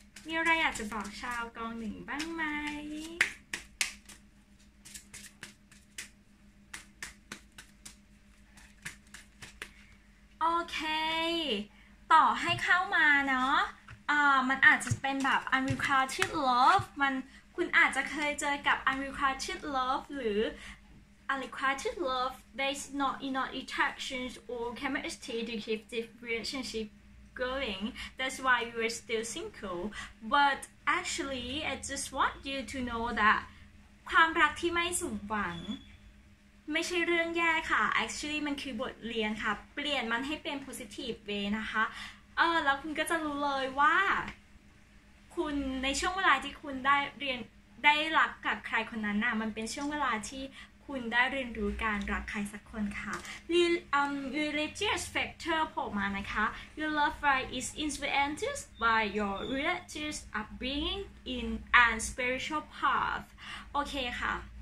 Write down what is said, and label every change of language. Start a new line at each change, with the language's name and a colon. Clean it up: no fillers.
Thai: มีอะไรอยากจะบอกชาวกองหนึ่งบ้างไหมโอเคต่อให้เข้ามาเนาะมันอาจจะเป็นแบบ unrequited love มันคุณอาจจะเคยเจอกับ unrequited love หรือ
English: Unrequited love based not enough attractions or chemistry to keep the relationship going. That's why you are still single. But actually, I just want you to know that
Thai: ความรักที่ไม่สมหวังไม่ใช่เรื่องแย่ค่ะ Actually, มันคือบทเรียนค่ะเปลี่ยนมันให้เป็น
English: positive way
Thai: นะคะแล้วคุณก็จะรู้เลยว่า คุณในช่วงเวลาที่คุณได้เรียนได้รักกับใครคนนั้นน่ะมันเป็นช่วงเวลาที่คุณได้เรียนรู้การรักใครสักคนค่ะ
English: religious factor
Thai: โผล่มานะคะ
English: your love life is influenced by your religious upbringing in and spiritual path
Thai: โอเคค่ะ